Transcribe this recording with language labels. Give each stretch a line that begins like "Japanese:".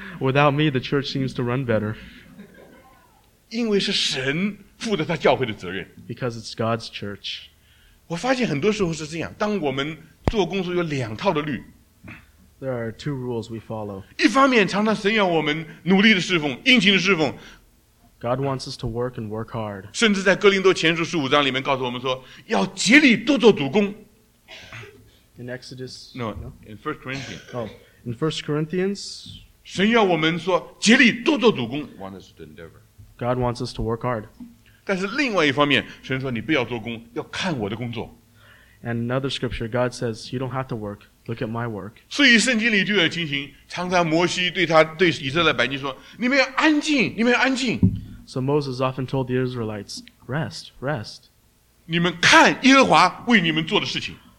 English: Without me, the church seems to run better.
Chinese: 因为是神负的他教会的责任。
English: Because it's God's church.
Chinese: 我发现很多时候是这样，当我们做工作有两套的律。
English: There are two rules we follow.
Chinese: 一方面，常常神要我们努力的侍奉，殷勤的侍奉。
English: God wants us to work and work hard.
Chinese: 甚至在哥林多前书十五章里面告诉我们说，要竭力多做主工。
English: In Exodus, no, in First Corinthians. Oh, in First Corinthians.
Chinese: 神要我们说竭力多做主工。
English: Want us to endeavor. God wants us to work hard.
Chinese: 但是另外一方面，神说你不要做工，要看我的工作。
English: And another scripture, God says, "You don't have to work. Look at my work."
Chinese: 所以圣经里就有情形，常常摩西对以色列百姓说：“你们要安静，你们要安静。”
English: So Moses often told the Israelites, "Rest, rest."
Chinese: 你们看耶和华为你们做的事情。